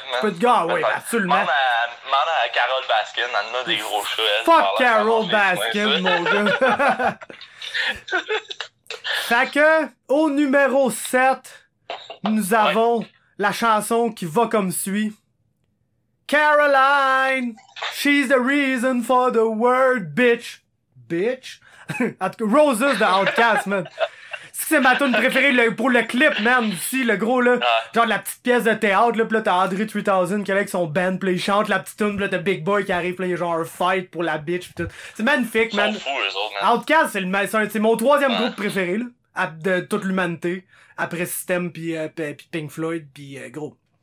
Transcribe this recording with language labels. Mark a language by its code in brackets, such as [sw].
[fr] peut-être. Ah, peut-être. Ouais, absolument. Maman à Carole Baskin, elle en a des gros chats. Fuck Carole Baskin, mon gars. Fait que, au numéro 7, nous avons la chanson qui va comme suit. [en] Caroline, she's the reason for the world, bitch. [fr] Bitch? En tout cas, Roses de Outkast, man. C'est ma tune préférée le, pour le clip, man, aussi, le gros, là. Ouais. Genre, la petite pièce de théâtre, là, pis là, t'as Andre 3000 qui est là avec son band, pis là, il chante la petite tune, pis là, t'as Big Boy qui arrive, pis là, il y a genre un fight pour la bitch, pis tout. C'est magnifique, man. Outkast, c'est mon troisième groupe préféré, là, à, de toute l'humanité, après System, pis Pink Floyd, pis gros.